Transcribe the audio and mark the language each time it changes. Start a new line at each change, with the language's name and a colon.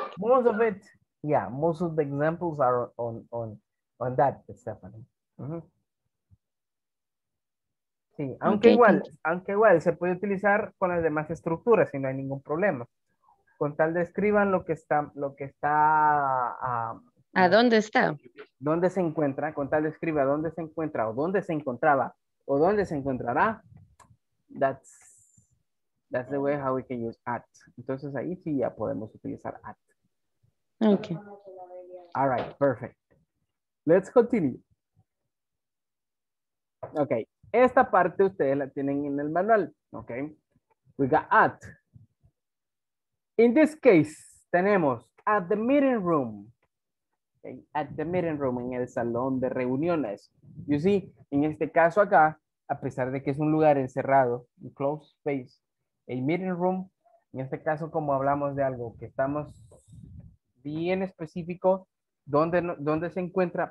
English: Most of it, yeah, most of the examples are on that, Stephanie. Mm-hmm.
Spanish: Sí, aunque, okay, igual, aunque igual se puede utilizar con las demás estructuras si no hay ningún problema. Con tal de escriban lo que está. ¿A dónde está? ¿Dónde se encuentra? Con tal de escriba dónde se encuentra o dónde se encontraba o dónde se encontrará.
English: That's the way how we can use at.
Spanish: Entonces ahí sí ya podemos utilizar at. Okay.
English: All right, perfect. Let's continue. Okay.
Spanish: Esta parte ustedes la tienen en el manual.
English: Okay. We got at. In this case, tenemos at the meeting room. Okay. At the meeting room,
Spanish: en el salón de reuniones.
English: You see,
Spanish: en este caso acá, a pesar de que es un lugar encerrado, un
English: closed space,
Spanish: el meeting room, en este caso, como hablamos de algo que estamos bien específico, ¿dónde se encuentra?